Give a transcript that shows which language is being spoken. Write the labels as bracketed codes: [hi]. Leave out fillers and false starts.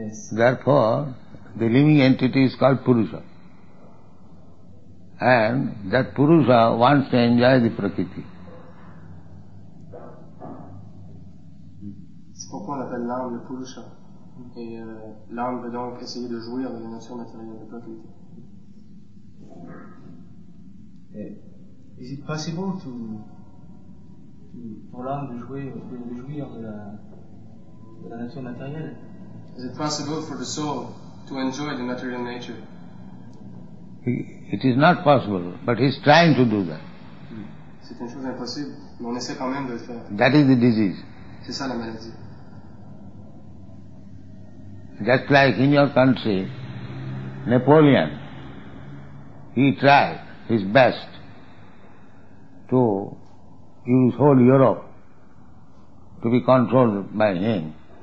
[en] Therefore, the living entity is called Purusha. And that Purusha wants to enjoy the Prakriti. [fr] C'est pourquoi on appelle l'âme le Purusha. Et l'âme veut donc essayer de jouir de la nature matérielle de l'autorité. [en] Is it possible [fr] pour l'âme de jouir de la nature matérielle? [en] Is it possible for the soul to enjoy the material nature? It is not possible, but he is trying to do that. [fr] C'est une chose impossible, mais on essaie quand même de le faire. [en] That is the disease. [fr] C'est ça la maladie. [en] Just like in your country, Napoleon, he tried his best to use whole Europe to be controlled by him.